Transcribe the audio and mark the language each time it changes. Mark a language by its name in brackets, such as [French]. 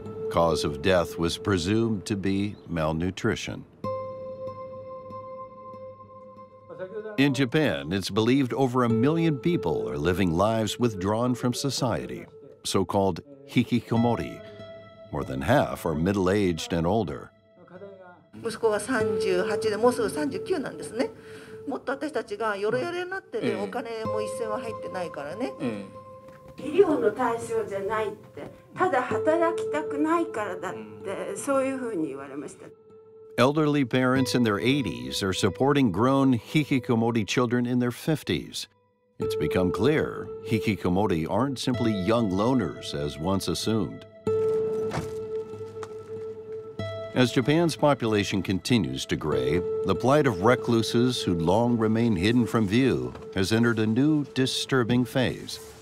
[English] Cause of death was presumed to be malnutrition. In Japan, it's believed over a million people are living lives withdrawn from society, so-called hikikomori. More than half are middle-aged and older. [Japanese] 息子が38でもうすぐ39なんですね。もっと私たちがよろよろになってて、お金も一銭は入ってないからね。医療の対象じゃないって、ただ働きたくないからだって、そういうふうに言われました。 [English] Elderly parents in their 80s are supporting grown hikikomori children in their 50s. It's become clear hikikomori aren't simply young loners as once assumed. As Japan's population continues to grow, the plight of recluses who'd long remain hidden from view has entered a new disturbing phase.